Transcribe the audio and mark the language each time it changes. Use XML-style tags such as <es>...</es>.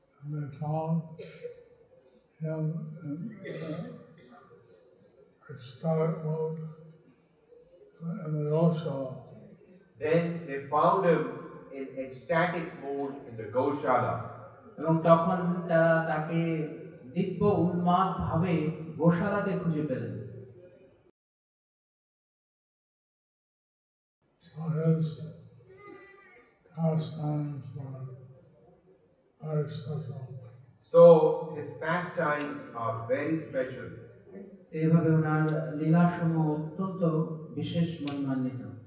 <en>They found him in a stoic mode, and they also then they found him in ecstatic mode in the Gaushala.</en> <bn>এবং তখন তারা তাকে দিব্য উন্মাদ ভাবে গোশালাতে খুঁজে পেলেন।</bn> <en>So his pastimes are very special.</en> <bn>এভাবে ওনার লীলাসমূহ অত্যন্ত বিশেষ মহিমান্বিত।</bn>